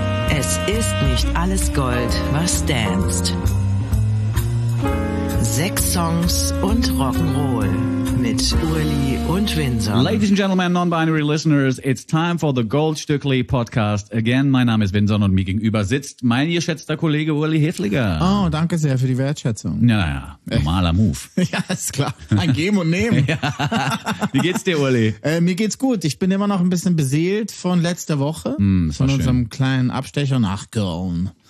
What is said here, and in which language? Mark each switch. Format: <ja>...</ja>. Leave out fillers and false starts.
<de>Es ist nicht alles Gold, was danced. Sechs Songs und Rock'n'Roll mit Uli und Vincent.</de> <en>Ladies and gentlemen, non-binary listeners, it's time for the Goldstückli podcast again.</en> <de>Mein Name ist Vincent und mir gegenüber sitzt mein geschätzter Kollege Uli Hefliger. Oh, danke sehr für die Wertschätzung. Naja, normaler Move. Ja, ist klar. Ein Geben und Nehmen. Ja. Wie geht's dir, Uli? Mir geht's gut. Ich bin immer noch ein bisschen beseelt von letzter Woche. Von unserem kleinen Abstecher nach Köln.</de>